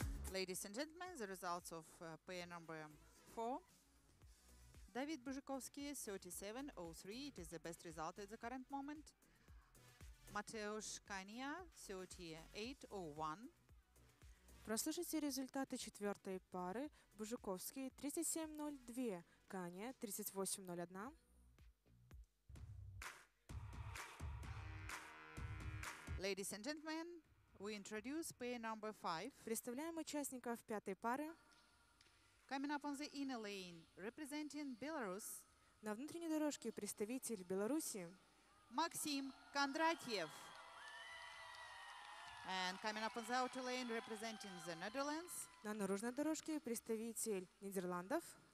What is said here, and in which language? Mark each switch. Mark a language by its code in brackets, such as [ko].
[en] Ladies and gentlemen, the results of pair number 4. David Buzhikovsky, 37.03. It is the best result at the current moment. Mateusz Kania, 38.01. [ru] Прослушайте результаты четвертой пары. Бужуковский 37.02, Кания 38.01. [en] Ladies and gentlemen, we introduce pair number 5. [ru] Представляем участников пятой пары. [en] Coming up on the inner lane, representing Belarus. [ru] На внутренней дорожке представитель Беларуси. Максим Кондратьев. [en] And coming up on the outer lane, representing the Netherlands. [ru] На наружной дорожке представитель Нидерландов.